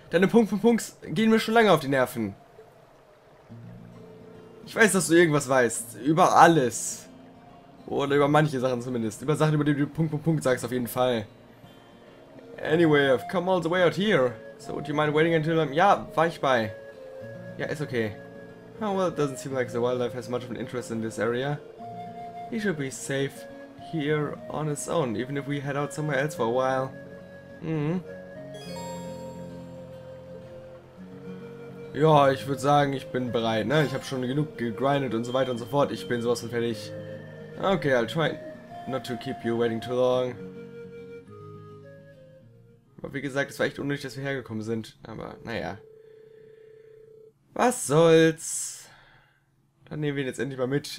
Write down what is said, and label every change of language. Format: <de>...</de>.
<de>Deine Punkt, Punkt, Punkts gehen mir schon lange auf die Nerven. Ich weiß, dass du irgendwas weißt. Über alles. Oder über manche Sachen zumindest. Über Sachen, über die du Punkt, Punkt, Punkt sagst, auf jeden Fall.</de> <en>Anyway, I've come all the way out here. So, would you mind waiting until I'm...</en> <de>Ja, war ich bei. Ja, ist okay.</de> <en>Oh, well, it doesn't seem like the wildlife has much of an interest in this area. He should be safe here on his own, even if we head out somewhere else for a while.</en> <de>Ja, ich würde sagen, ich bin bereit, ne? Ich habe schon genug gegrindet und so weiter und so fort. Ich bin sowas von fertig.</de> <en>Okay, I'll try not to keep you waiting too long.</en> <de>Aber wie gesagt, es war echt unnötig, dass wir hergekommen sind. Aber, naja. Was soll's? Dann nehmen wir ihn jetzt endlich mal mit.</de>